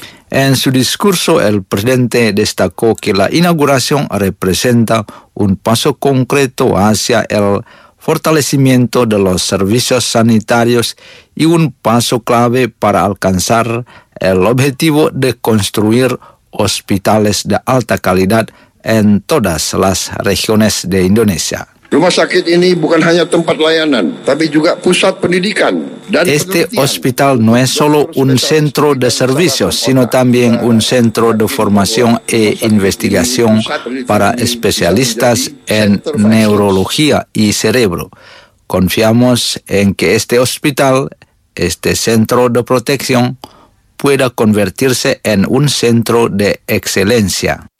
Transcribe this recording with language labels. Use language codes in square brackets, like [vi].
[es] En su discurso, el presidente destacó que la inauguración representa un paso concreto hacia el fortalecimiento de los servicios sanitarios y un paso clave para alcanzar el objetivo de construir hospitales de alta calidad en todas las regiones de Indonesia. [id] Rumah sakit ini bukan hanya tempat layanan, tapi juga pusat pendidikan. [es] Este hospital no es solo un centro de servicios, sino también un centro de formación e investigación para especialistas en neurología y cerebro. Confiamos en que este hospital, este centro de protección, pueda convertirse en un centro de excelencia.